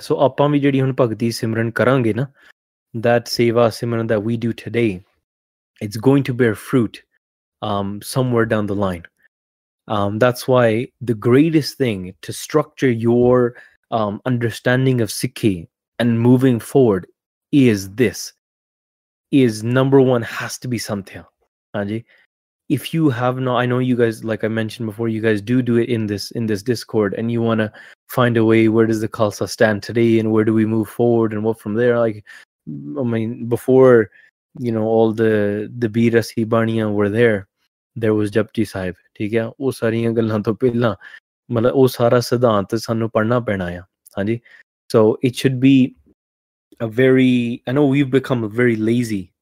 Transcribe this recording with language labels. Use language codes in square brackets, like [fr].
[pa] ਸੋ ਆਪਾਂ ਵੀ ਜਿਹੜੀ ਹੁਣ ਭਗਤੀ ਸਿਮਰਨ ਕਰਾਂਗੇ ਨਾ, [en] That seva simran that we do today, it's going to bear fruit somewhere down the line. That's why the greatest thing to structure your understanding of Sikhi and moving forward is this, is number one has to be Santhya. Haanji? If you have not, I know you guys, like I mentioned before, you guys do it in this Discord, and you want to find a way, where does the Khalsa stand today and where do we move forward and what from there? Like, I mean, before, you know, all the Bira Sibaniya were there, there was Japji Sahib. [pa] ਠੀਕ ਹੈ, ਉਹ ਸਾਰੀਆਂ ਗੱਲਾਂ ਤੋਂ ਪਹਿਲਾਂ, ਮਤਲਬ ਉਹ ਸਾਰਾ ਸਿਧਾਂਤ ਸਾਨੂੰ ਪੜ੍ਹਨਾ ਪੈਣਾ ਆ. [en] ਹਾਂਜੀ, so it should be a very, I know we've become very lazy.